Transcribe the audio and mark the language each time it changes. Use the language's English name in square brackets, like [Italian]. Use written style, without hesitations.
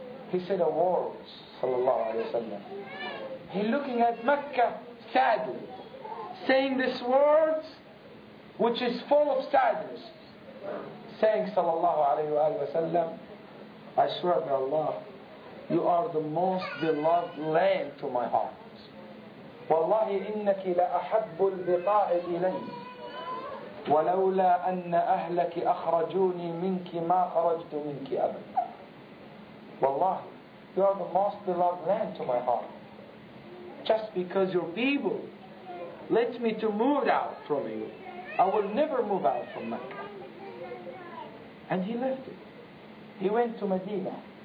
[English] He said a word, sallallahu alayhi wa sallam. He looking at Mecca sadly, saying this words, which is full of sadness, saying, sallallahu alayhi wa sallam, I swear by Allah, you are the most beloved land to my heart. [Arabic] والله إنك لأحب البقاء إلي ولولا أن أهلك أخرجوني منك ما خرجت منك أبدا. [English] والله you are the most beloved land to my heart. Just because your people led me to move out from you, I will never move out from Mecca. And he left it. He went to Medina.